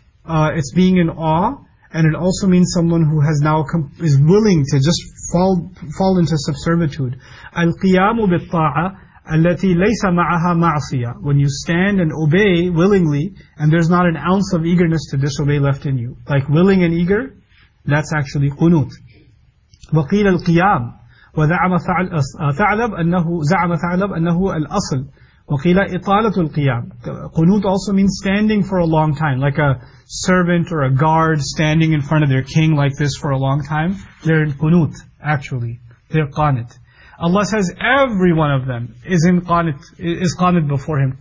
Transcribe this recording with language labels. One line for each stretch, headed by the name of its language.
English: It's being in awe. And it also means someone who has now is willing to just fall into subservitude.
Arabic: Al-qiyamu bil-ta'a. التي ليس معها معصية.
English: When you stand and obey willingly, and there's not an ounce of eagerness to disobey left in you. Like willing and eager, that's actually قنوت.
Arabic: وقيل القيام وزعم ثعلب أنه زعم ثعلب أنه الأصل. وقيل إطالة القيام.
English: قنوت also means standing for a long time, like a servant or a guard standing in front of their king like this for a long time. They're in قنوت, actually. They're قانت. Allah says every one of them is qanit before Him.